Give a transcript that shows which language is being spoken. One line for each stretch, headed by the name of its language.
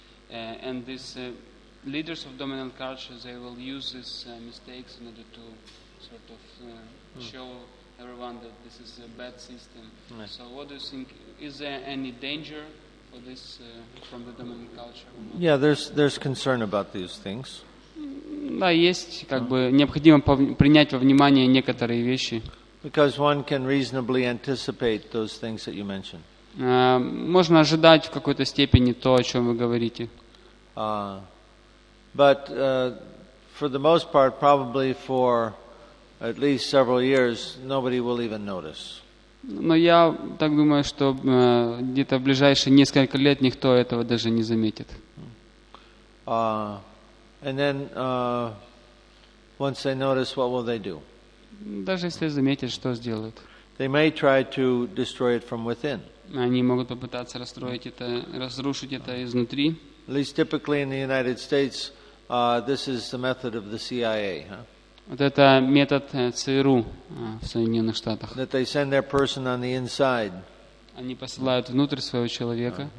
English: And these leaders of dominant cultures, they will use these mistakes in order to sort of show everyone that this is a bad system. Right. So what do you think, is there any danger for this from the dominant culture? Yeah, there's concern about these things.
Russian: Да, есть, как бы, необходимо принять во внимание некоторые вещи.
English: Because one can reasonably anticipate those things that you mentioned.
Russian: Можно ожидать в какой-то степени то, о чем вы говорите.
English: But for the most part, probably for at least several years, nobody will even notice.
Russian: Но я так думаю, что где-то в ближайшие несколько лет никто этого даже не заметит.
English: And then once they notice, what will they do?
Russian: Даже если заметят, что сделают.
English: They may try to destroy it from within.
Russian: Они могут попытаться расстроить это, разрушить это изнутри.
English: At least typically in the United States, this is the method of the CIA, huh?
Russian: Вот это метод ЦРУ в Соединенных Штатах.
English: That they send their person on the inside.
Russian: Они посылают внутрь своего человека.